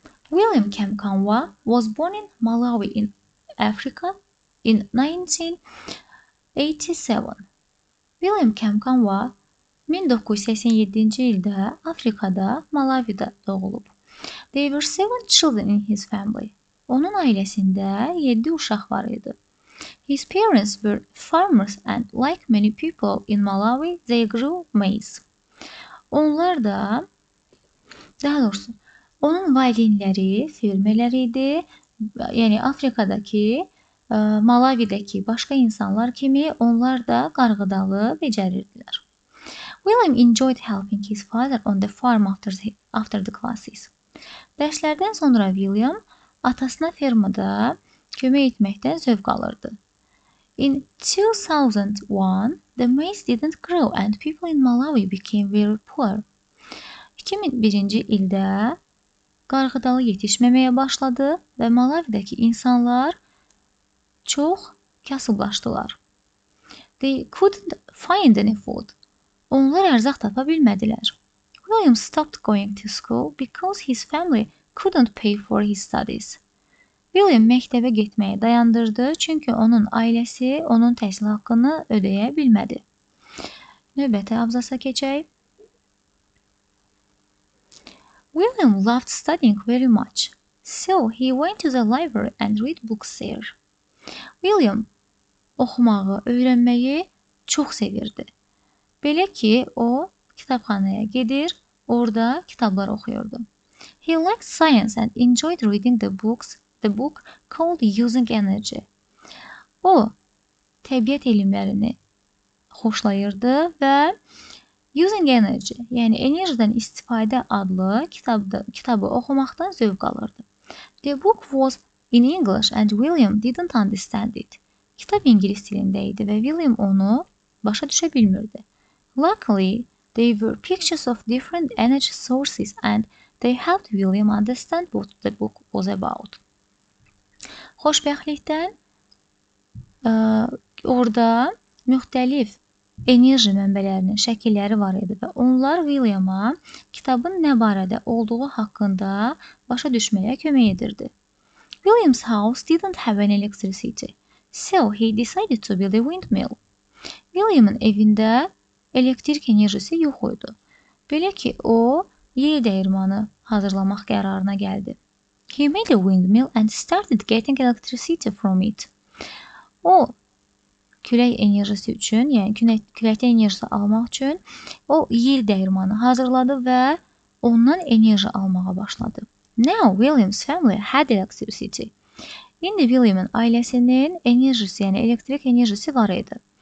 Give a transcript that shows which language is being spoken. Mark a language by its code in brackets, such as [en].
[en] William Kamkwamba was born in Malawi in Africa in 1987. [az] William Kamkwamba 1987-ci ildə Afrikada, Malawi'da doğulub. [en] There were 7 children in his family. [az] Onun ailəsində 7 uşaq var idi. [en] His parents were farmers and like many people in Malawi, they grew maize. [az] Onlar da, daha doğrusu, onun valideynləri fermerlər idi. Yəni, Afrikadakı, Malawi'dəki başqa insanlar kimi onlar da qarğıdalı becərirdilər. [en] William enjoyed helping his father on the farm after the classes. [az] Dərslərdən sonra William atasına fermada kömək etməkdən zövq alırdı. [en] In 2001, the maize didn't grow and people in Malawi became very poor. [az] 2001-ci ildə qarğıdalı yetişməməyə başladı və Malawi'dəki insanlar çox kasıblaşdılar. [en] They couldn't find any food. [az] Onlar ərzaq tapa bilmədilər. [en] William stopped going to school because his family couldn't pay for his studies. [az] William məktəbə getməyi dayandırdı, çünki onun ailəsi onun təhsil haqqını ödəyə bilmədi. Növbəti abzasa keçək. [en] William loved studying very much, so he went to the library and read books there. William [az] Oxumağı, öyrənməyi çox sevirdi. Belə ki, o kitabxanaya gedir, orada kitablar oxuyordu. [en] He liked science and enjoyed reading the book called Using Energy. [az] O, təbiət elmlərini xoşlayırdı və Using Energy, yəni enerjidən istifadə adlı kitabı oxumaqdan zövq alırdı. [en] The book was in English and William didn't understand it. [az] Kitab ingilis dilində idi və William onu başa düşə bilmirdi. [en] Luckily, they were pictures of different energy sources and they helped William understand what the book was about. [az] Xoşbəxtlikdən orada müxtəlif enerji mənbələrinin şəkilləri var idi və onlar William'a kitabın nə barədə olduğu haqqında başa düşməyə kömək edirdi. [en] William's house didn't have an electricity, so he decided to build a windmill. [az] William'ın evində elektrik enerjisi yox idi. Belə ki, o, yer dəyirmanı hazırlamaq qərarına gəldi. [en] He made a windmill and started getting electricity from it. [az] O, külək enerjisi üçün, yəni küləkdən enerjisi almaq üçün o yel dəyirmanı hazırladı və ondan enerji almağa başladı. [en] Now William's family had electricity. [az] İndi William'ın ailəsinin enerjisi, yəni elektrik enerjisi var idi.